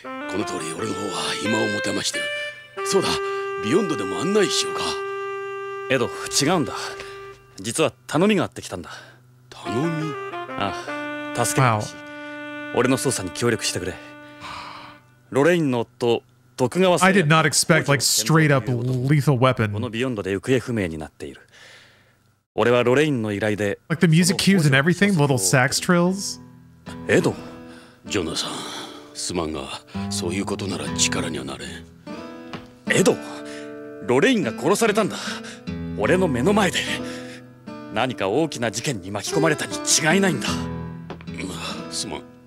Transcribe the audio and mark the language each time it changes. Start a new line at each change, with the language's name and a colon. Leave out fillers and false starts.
Japanese: この通り俺の方は暇を持て余してる。そうだ、 ビヨンドでも案内しようか。エド、 違うんだ。実は頼みがあってきたんだ。頼み? ああ、 助けてほしい。俺の捜査に協力してくれ。ロレインの夫、
English: I did not expect, like, straight-up lethal weapon. Like, the music cues and everything, little sax trills. Edo? Jonathan.
Japanese: すまんが、そういうことなら力にはなれん。エド、ロレインが殺されたんだ。俺の目の前で。何か大きな事件に巻き込まれたに違いないんだ。すまん。